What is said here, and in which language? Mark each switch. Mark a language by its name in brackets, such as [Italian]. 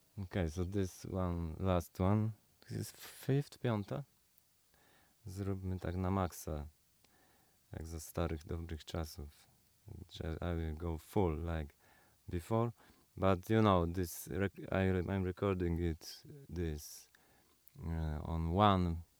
[English] Okay, so this one, last one. [Polish] Jest fifth, piąta. Zróbmy tak na maksa, jak za starych dobrych czasów. [English] I will go full like before, but you know this. I'm recording it this on one.